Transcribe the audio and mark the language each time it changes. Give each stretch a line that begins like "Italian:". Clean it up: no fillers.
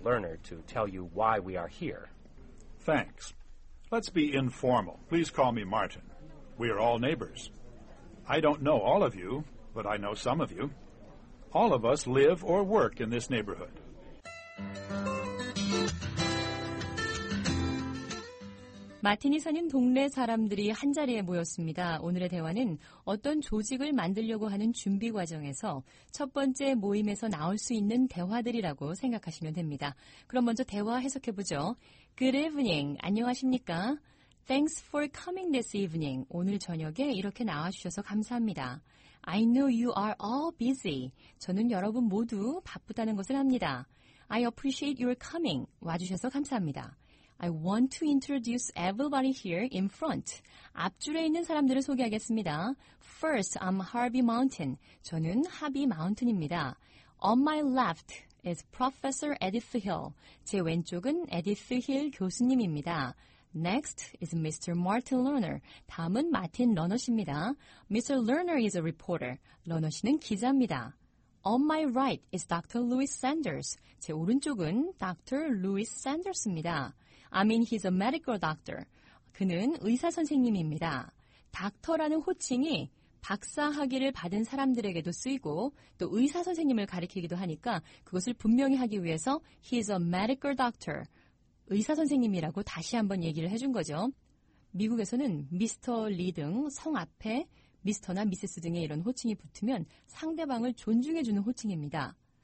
English: Lerner to tell you why we are here. Thanks. Let's be informal. Please call me Martin. We are all neighbors. I don't know all of you, but I know some of you. All of us live or work in this neighborhood.
Korean: Martin이 사는 동네 사람들이 한 자리에 모였습니다. 오늘의 대화는 어떤 조직을 만들려고 하는 준비 과정에서 첫 번째 모임에서 나올 수 있는 대화들이라고 생각하시면 됩니다. 그럼 먼저 대화 해석해 보죠.
English: Good evening.
Korean: 안녕하십니까?
English: Thanks for coming this evening.
Korean: 오늘 저녁에 이렇게 나와주셔서 감사합니다.
English: I know you are all busy.
Korean: 저는 여러분 모두 바쁘다는 것을 압니다.
English: I appreciate your coming.
Korean: 와주셔서 감사합니다.
English: I want to introduce everybody here in front.
Korean: 앞줄에 있는 사람들을 소개하겠습니다.
English: First, I'm Harvey Mountain.
Korean: 저는 하비 마운틴입니다.
English: On my left is Professor Edith Hill.
Korean: 제 왼쪽은 에디스 힐 교수님입니다.
English: Next is Mr. Martin Lerner.
Korean: 다음은 마틴 러너 씨입니다.
English: Mr. Lerner is a reporter.
Korean: 러너 씨는 기자입니다.
English: On my right is Dr. Louis Sanders.
Korean: 제 오른쪽은
English: Dr. Louis Sanders입니다. I mean he's a medical doctor.
Korean: 그는 의사 선생님입니다. 닥터라는 호칭이 박사 학위를 받은 사람들에게도 쓰이고 또 의사 선생님을 가리키기도 하니까 그것을 분명히 하기 위해서
English: he's a medical doctor.
Korean: 의사선생님이라고 다시 한번 얘기를 해준 거죠. 미국에서는 미스터 리 등 성 앞에 미스터나 미세스 등의 이런 호칭이 붙으면 상대방을 존중해주는 호칭입니다.